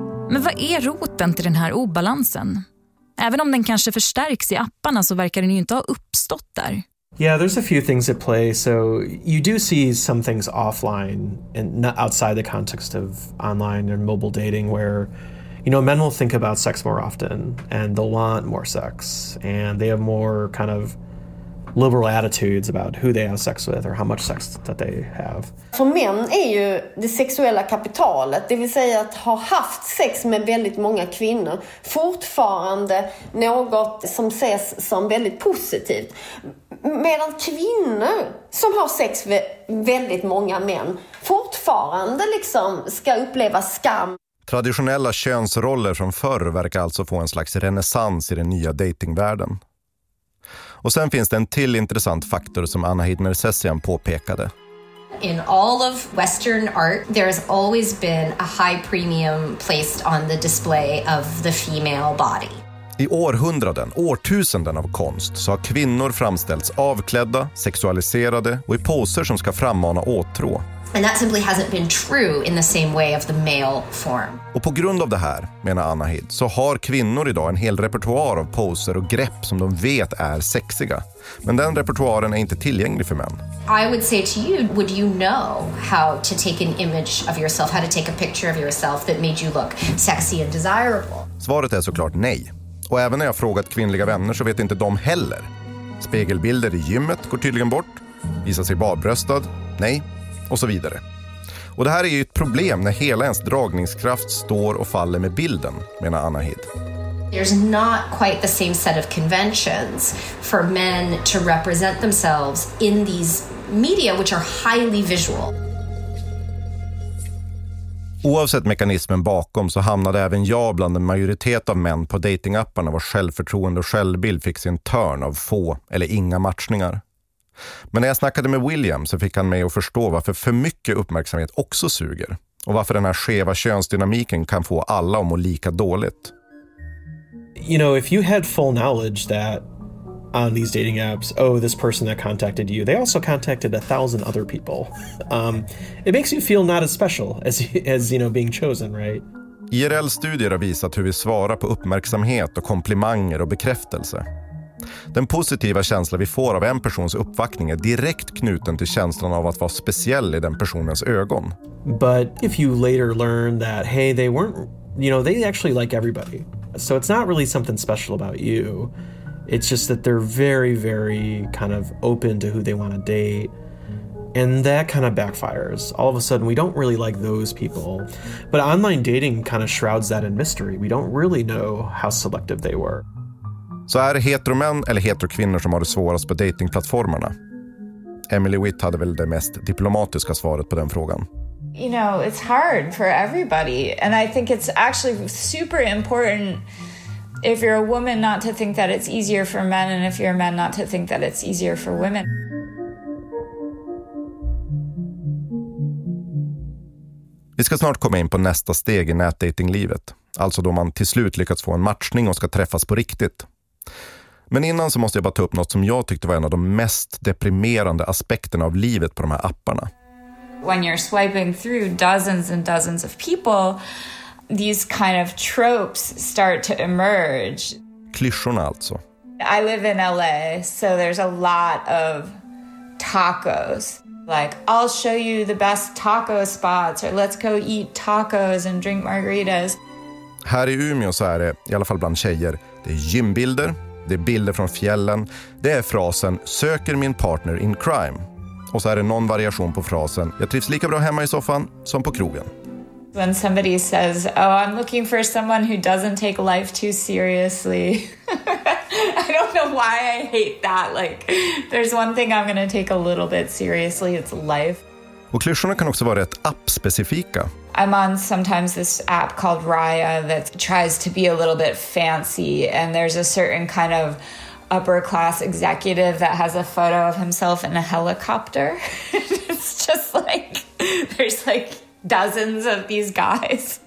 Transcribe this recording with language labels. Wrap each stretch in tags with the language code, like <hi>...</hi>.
<sv>Men vad är roten till den här obalansen? Även om den kanske förstärks i apparna så verkar den ju inte ha uppstått där.</sv> <en>Yeah, there's a few things at play. So you do see some things offline and not outside the context of online and mobile dating where, you know, men will think about sex more often and they'll want more sex and they have more kind of liberal attitudes about who they have sex with or how much sex that they have.</en> <sv>För män är ju det sexuella kapitalet, det vill säga att ha haft sex med väldigt många kvinnor, fortfarande något som ses som väldigt positivt. Medan kvinnor som har sex med väldigt många män fortfarande liksom ska uppleva skam. Traditionella könsroller från förr verkar alltså få en slags renässans i den nya datingvärlden. Och sen finns det en till intressant faktor som Anna Hidner-Sessian påpekade.</sv> <en>In all of Western art, there has always been a high premium placed on the display of the female body.</en> <sv>I århundraden, årtusenden av konst, så har kvinnor framställts avklädda, sexualiserade och i poser som ska frammana åtrå.</sv> <en>And that simply hasn't been true in the same way of the male form.</en> <sv>Och på grund av det här, menar Anna Hid, så har kvinnor idag en hel repertoar av poser och grepp som de vet är sexiga. Men den repertoaren är inte tillgänglig för män.</sv> <en>I would say to you, would you know how to take an image of yourself, how to take a picture of yourself that made you look sexy and desirable?</en> <sv>Svaret är såklart nej. Och även när jag frågat kvinnliga vänner så vet inte de heller. Spegelbilder i gymmet går tydligen bort. Visar sig barbröstad. Nej. Och så vidare. Och det här är ju ett problem när hela ens dragningskraft står och faller med bilden, menar Anna Hid.</sv> <en>There's not quite the same set of conventions for men to represent themselves in these media which are highly visual.</en> <sv>Oavsett mekanismen bakom så hamnade även jag bland en majoritet av män på datingapparna vars självförtroende och självbild fick sin törn av få eller inga matchningar. Men när jag snackade med William så fick han mig att förstå varför för mycket uppmärksamhet också suger och varför den här skeva könsdynamiken kan få alla att må lika dåligt.</sv> <en>You know, if you had full knowledge that on these dating apps, oh, this person that contacted you, they also contacted 1,000 other people. It makes you feel not as special as you know, being chosen, right?</en> <sv>IRL-studier har visat hur vi svarar på uppmärksamhet och komplimanger och bekräftelse. Den positiva känsla vi får av en persons uppvaktning är direkt knuten till känslan av att vara speciell i den personens ögon.</sv> <en>But if you later learn that, hey, they weren't, you know, they actually like everybody. So it's not really something special about you. It's just that they're very, very kind of open to who they want to date. And that kind of backfires. All of a sudden, we don't really like those people. But online dating kind of shrouds that in mystery. We don't really know how selective they were.</en> <sv>Så är det heteromän eller heterokvinnor som har det svårast på datingplattformarna? Emily Witt hade väl det mest diplomatiska svaret på den frågan.</sv> <en>You know, it's hard for everybody. And I think it's actually super important if you're a woman not to think that it's easier for men and if you're a man not to think that it's easier for women.</en> <sv>Vi ska snart komma in på nästa steg i nätdatinglivet. Alltså då man till slut lyckats få en matchning och ska träffas på riktigt. Men innan så måste jag bara ta upp något som jag tyckte var en av de mest deprimerande aspekterna av livet på de här apparna.</sv> <en>When you're swiping through dozens and dozens of people, these kind of tropes start to emerge.</en> <sv>Klyschorna alltså.</sv> <en>I live in LA, so there's a lot of tacos. Like, I'll show you the best taco spots, or let's go eat tacos and drink margaritas.</en> <sv>Här i Umeå så är det, i alla fall bland tjejer, det är gymbilder, det är bilder från fjällen, det är frasen "söker min</sv> <en>partner in crime".</en> <sv>Och så är det någon variation på frasen "jag trivs lika bra hemma i soffan som på krogen".</sv> <en>When somebody says, "oh, I'm looking for someone who doesn't take life too seriously." I don't know why I hate that. Like, there's one thing I'm gonna take a little bit seriously, it's life.</en> <sv>Och klyschorna kan också vara rätt app-specifika.</sv> <en>I'm on sometimes this app called Raya that tries to be a little bit fancy, and there's a certain kind of upper class executive that has a photo of himself in a helicopter. It's just like there's like dozens of these guys.</en>